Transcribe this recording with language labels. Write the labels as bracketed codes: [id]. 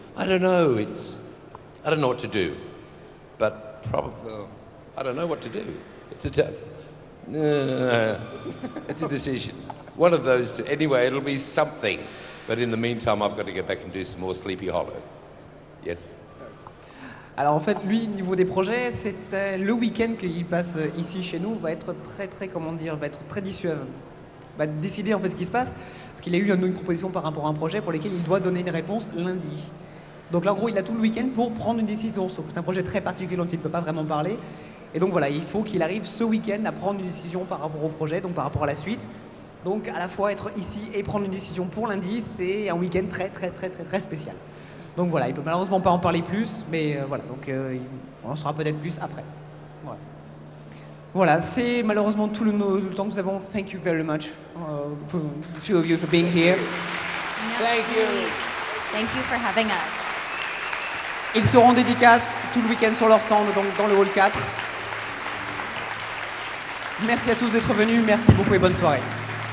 [en] I don't know, I don't know what to do. But probably, I don't know what to do. It's a tough, it's a decision. One of those two. Anyway, it'll be something. But in the meantime, I've got to get back and do some more Sleepy Hollow. Yes. [fr] Alors en fait, lui, au niveau des projets, c'est le week-end qu'il passe ici chez nous va être très très, comment dire, va être très dissuasif. Va décider en fait ce qui se passe, parce qu'il a eu une proposition par rapport à un projet pour lequel il doit donner une réponse lundi. Donc là, en gros, il a tout le week-end pour prendre une décision. Sauf que c'est un projet très particulier dont il ne peut pas vraiment parler. Et donc voilà, il faut qu'il arrive ce week-end à prendre une décision par rapport au projet, donc par rapport à la suite. Donc, à la fois être ici et prendre une décision pour lundi, c'est un week-end très, très, très, très, très spécial. Donc voilà, il ne peut malheureusement pas en parler plus, mais voilà, donc on en saura peut-être plus après. Voilà. Voilà, c'est malheureusement tout le temps que nous avons. [en] Thank you very much, two of you, for being here. [fr] Merci. [en] Thank you. Thank you for having us. [fr] Ils seront dédicaces tout le week-end sur leur stand, donc dans le hall 4. Merci à tous d'être venus, merci beaucoup et bonne soirée.